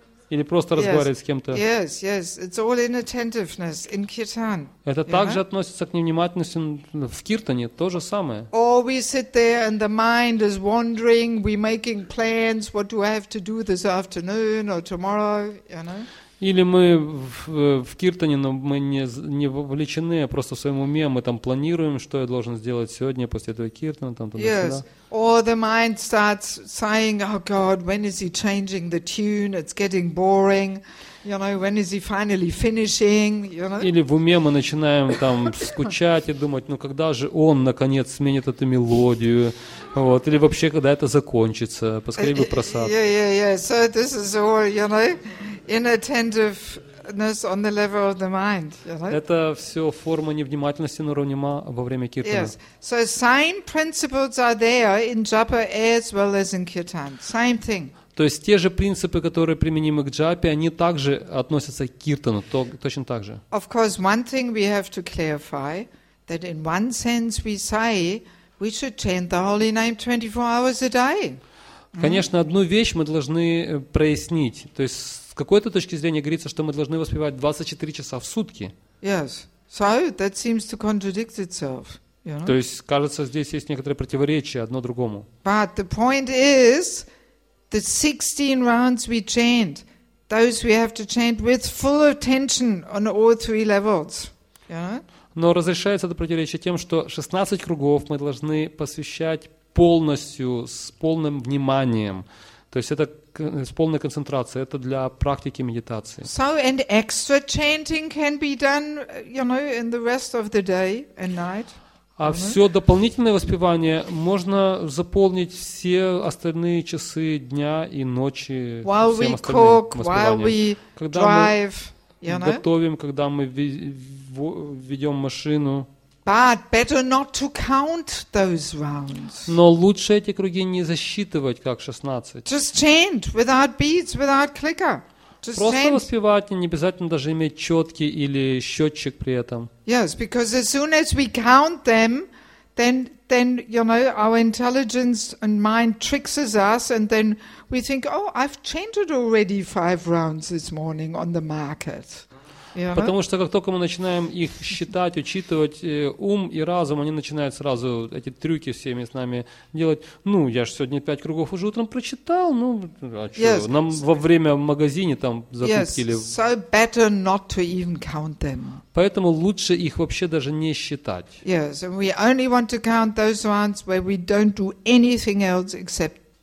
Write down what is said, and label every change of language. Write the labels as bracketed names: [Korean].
[Russian] Или просто разговаривать с кем-то. [English] Yes. It's all inattentiveness in kirtan. [Russian] Это также относится к невнимательности в киртане, то же самое. [English] Or we sit there and the mind is wandering, we're making plans, what do I have to do this afternoon or tomorrow, you know? [Russian] Или мы в киртане, но мы не вовлечены, а просто в своем уме мы там планируем, что я должен сделать сегодня после этого киртана, там туда-сюда. [English] Yes. Or the mind starts saying, oh God, when is he changing the tune? It's getting boring. You know, when is he finally finishing? You know? [Russian] Или в уме мы начинаем там скучать и думать, ну когда же он наконец сменит эту мелодию? Вот. Или вообще, когда это закончится? Поскорее бы просад. [English] Yeah. So this is all, you know, inattentiveness on the level of the mind. [Russian] Это все форма невнимательности на уровне ума во время киртана. [English] Yes. So same principles are there in japa as well as in kirtan. Same thing. [Russian] То есть те же принципы, которые применимы к джапе, они также относятся к киртану, точно так же. [English] Of course, one thing we have to clarify that in one sense we say we should chant the holy name 24 hours a day. [Russian] Конечно, одну вещь мы должны прояснить. То есть с какой-то точки зрения говорится, что мы должны воспевать 24 часа в сутки. [English] Yes. So that seems to contradict itself. You know? [Russian] То есть, кажется, здесь есть некоторые противоречия одно другому. [English] But the point is, the 16 rounds we chant, those we have to chant with full attention on all three levels. You know? [Russian] Но разрешается это противоречие тем, что 16 кругов мы должны посвящать полностью, с полным вниманием. То есть это с полной концентрацией. Это для практики медитации. [English] So, and extra chanting can be done, you know, in the rest of the day and night. [Russian] А все дополнительное воспевание можно заполнить все остальные часы дня и ночи. [English] While we cook, while we drive, you know. [Russian] Готовим, когда мы ведем машину. [English] But better not to count those rounds. [Russian] Но лучше эти круги не засчитывать как 16. [English] Just chant without beats, without clicker. [Russian] Просто воспевать, не обязательно даже иметь четки или счетчик при этом. [English] Yes, because as soon as we count them, then you know our intelligence and mind tricks us, and then we think, oh, I've chanted already 5 rounds this morning on the market. Yeah. [Russian] Потому что как только мы начинаем их считать, учитывать, ум и разум, они начинают сразу эти трюки всеми с нами делать. Ну, я же сегодня 5 кругов уже утром прочитал, ну, а что? [English] Yes. [Russian] Нам во время в магазине там закупили. [English] Yes. So better not to even count them. [Russian] Поэтому лучше их вообще даже не считать. [English] Yes, and we only want to count those ones where we don't do anything else except